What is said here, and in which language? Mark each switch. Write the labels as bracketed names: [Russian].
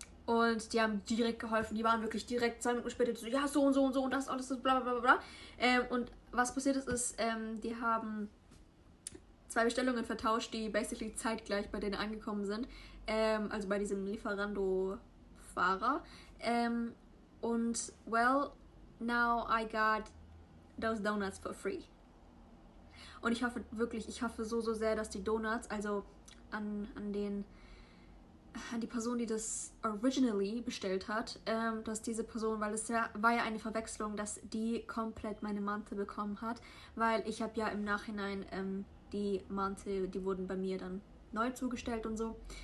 [German] Und die haben direkt geholfen. Die waren wirklich direkt 2 Minuten später so, ja, so und so und so und das, alles, bla, bla, bla, bla. Und was passiert ist, die haben 2 Bestellungen vertauscht, die basically zeitgleich bei denen angekommen sind. Also bei diesem Lieferando-Fahrer. [English] Und, well, now I got those donuts for free. [German] Und ich hoffe wirklich, ich hoffe so, so sehr, dass die Donuts, also an die Person, die das originally bestellt hat, dass diese Person, weil es ja, war ja eine Verwechslung, dass die komplett meine Mante bekommen hat, weil ich habe ja im Nachhinein die Mante, die wurden bei mir dann neu zugestellt und so.